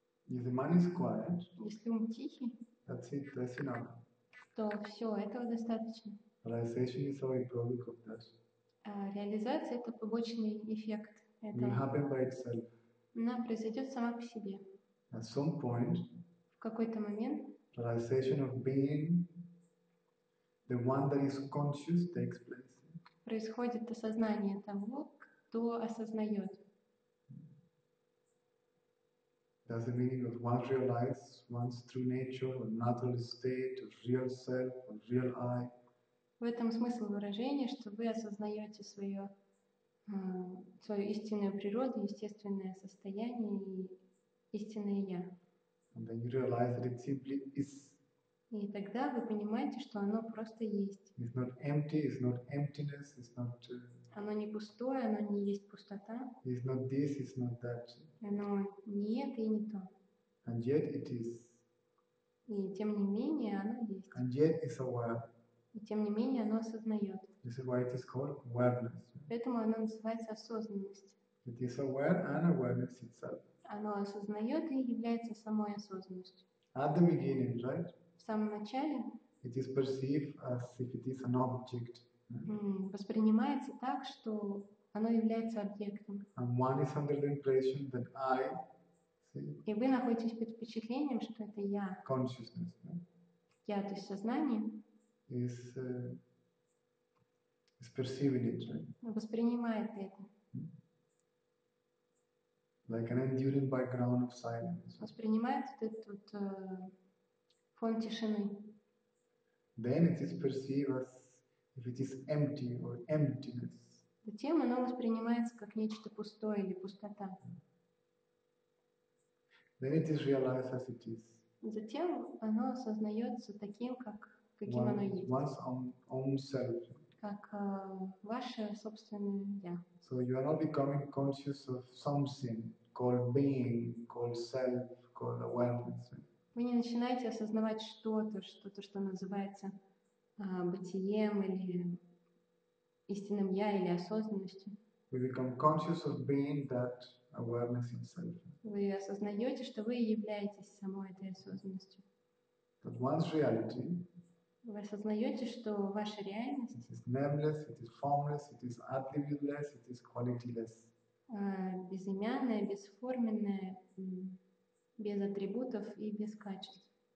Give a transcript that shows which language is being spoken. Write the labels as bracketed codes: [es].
[en] If the mind is quiet, [ru] если ум тихий, [en] that's it, that's enough. [ru] То все, этого достаточно. [en] Realization is only a product of that. [ru] Реализация — это побочный эффект. [en] It will happen by itself. [ru] Она произойдет сама по себе. [en] At some point, [ru] в какой-то момент, [en] realization of being the one that is conscious takes place. [ru] Происходит осознание того, кто осознает. [en] That's the meaning of one realizes one's true nature, or natural state, or real self, or real I. [ru] В этом смысл выражения, что вы осознаете свое свою истинную природу, естественное состояние и истинное я. [en] And then you realize that it simply is. [ru] И тогда вы понимаете, что оно просто есть. [en] It's not empty, it's not emptiness, it's not. [ru] Оно не пустое, оно не есть пустота. [en] It's not this, it's not that. [ru] Оно не это и не то. [en] And yet it is. [ru] И тем не менее оно есть. [en] And yet it's aware. [ru] И тем не менее оно осознает. [en] This is why it is called awareness. [ru] Поэтому оно называется осознанность. [en] It is aware and awareness itself. [ru] Оно осознает и является самой осознанностью. [en] At the beginning, right? [ru] В самом начале. [en] It is perceived as if it is an object. [ru] Воспринимается так, что оно является объектом. [en] And one is under the impression that I. [ru] И вы находитесь под впечатлением, что это я. [en] Consciousness. Yeah? [ru] Я, то есть сознание. [en] Is perceiving it, right? [ru] Воспринимает это. [en] Like an enduring background of silence. [ru] Воспринимает этот фон тишины. [en] Then it is perceived as if it is empty or emptiness. [ru] Затем оно воспринимается как нечто пустое или пустота. [en] Then it is realized as it is. [ru] Затем оно осознается таким, каким оно есть. [en] One's own self. [ru] Как ваше собственное я. [en] So you are not becoming conscious of something called being, called self, called awareness. [ru] Вы не начинаете осознавать что-то, что называется бытием или истинным я или осознанностью. [en] We become conscious of being that awareness itself. [ru] Вы осознаете, что вы являетесь самой этой осознанностью. [en] But one's reality. [ru] Вы осознаете, что ваша реальность. [en] It is nameless, it is formless, it is attributeless, it is qualityless. [ru] Безымянная, бесформенная, без атрибутов и без качеств.